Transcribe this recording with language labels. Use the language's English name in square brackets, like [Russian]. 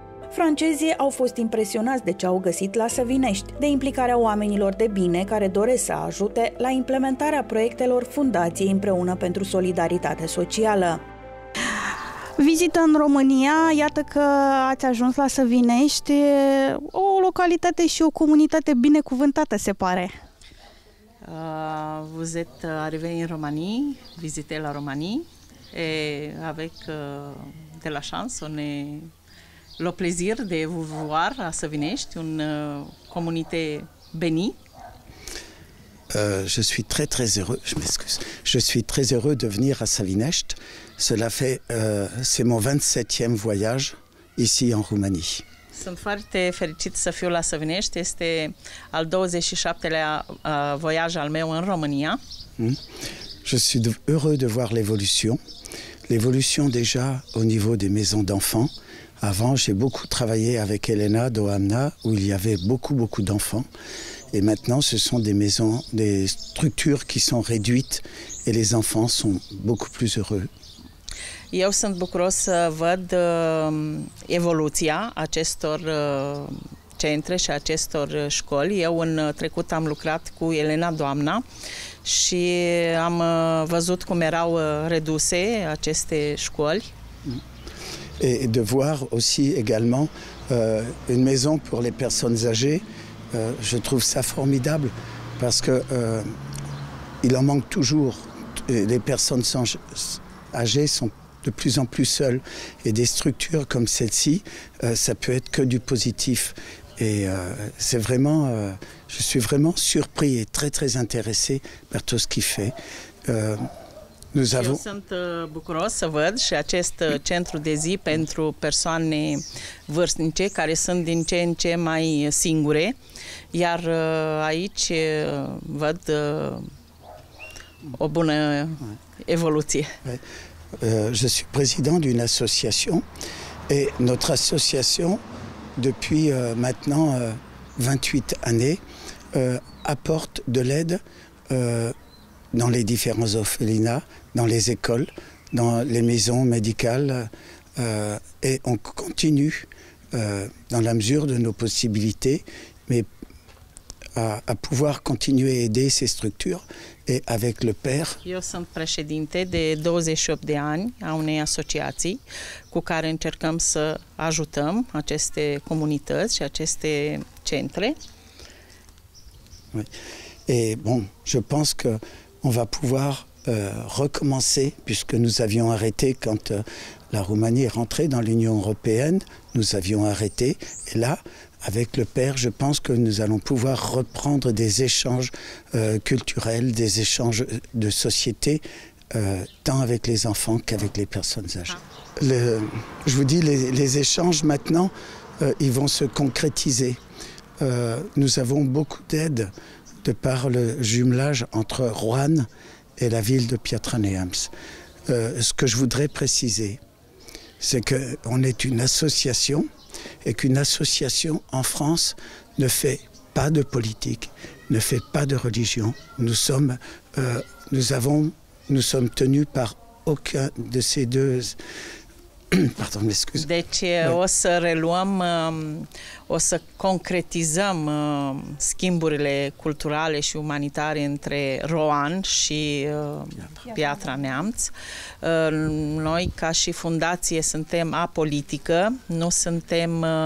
[Romanian] Francezii au fost impresionați de ce au găsit la Săvinești, de implicarea oamenilor de bine care doresc să ajute la implementarea proiectelor Fundației Împreună pentru Solidaritate Socială. Vizită în România, iată că ați ajuns la Săvinești, o localitate și o comunitate binecuvântată, se pare. [French] Vous êtes arrivé en Roumanie, vizite la Roumanie, et avec de la chance, on est le plaisir de vous voir à Săvinești, un comunité bénie. Je suis très très heureux, je m'excuse, je suis très heureux de venir à Săvinești. Cela fait, c'est mon 27e voyage ici en Roumanie. [Romanian] Sunt foarte fericit să fiu la Săvinești, este al 27-lea voyage al meu în România. [French] Je suis heureux de voir l'évolution. L'évolution déjà au niveau des maisons d'enfants. Avant, j'ai beaucoup travaillé avec Elena d'Oamna, où il y avait beaucoup, beaucoup d'enfants. Et maintenant, ce sont des maisons, des structures qui sont réduites et les enfants sont beaucoup plus heureux. [Romanian] Eu sunt bucuros să văd evoluția acestor centre și acestor școli. Eu în trecut am lucrat cu Elena Doamna și am văzut cum erau reduse aceste școli. [French] Et de voir aussi également une maison pour les personnes âgées, je trouve ça formidable parce que il en manque toujours. Les personnes âgées sont de plus en plus seul et des structures comme celle-ci, ça peut être que du positif. Et c'est vraiment, je suis vraiment surpris et très très intéressé par tout ce qu'il fait. Nous avons. Je suis [Romanian] bucuros să văd și acest centru de zi pentru persoane vârstnice care sunt din ce în ce mai singure, iar aici văd o bună evoluție. [French] Je suis président d'une association et notre association, depuis maintenant 28 années, apporte de l'aide dans les différents orphelinats, dans les écoles, dans les maisons médicales et on continue dans la mesure de nos possibilités mais à pouvoir continuer à aider ces structures. Et avec le père. [Romanian] Eu sunt președinte de 28 de ani a unei asociații cu care încercăm să ajutăm aceste comunități și aceste centre. [French] Oui. Et bon, je pense que on va pouvoir recommencer puisque nous avions arrêté quand la Roumanie est rentrée dans l'Union européenne, nous avions arrêté et là avec le père, je pense que nous allons pouvoir reprendre des échanges culturels, des échanges de société, tant avec les enfants qu'avec les personnes âgées. Je vous dis, les échanges maintenant, ils vont se concrétiser. Nous avons beaucoup d'aide de par le jumelage entre Rouen et la ville de Pietraneams. Ce que je voudrais préciser, c'est qu'on est une association et qu'une association en France ne fait pas de politique, ne fait pas de religion. Nous sommes tenus par aucun de ces deux. Pardon, m'excuse. [Romanian] Deci, o să reluăm, o să concretizăm schimburile culturale și umanitare între Roan și Piatra Neamț. Noi, ca și fundație, suntem apolitică, nu suntem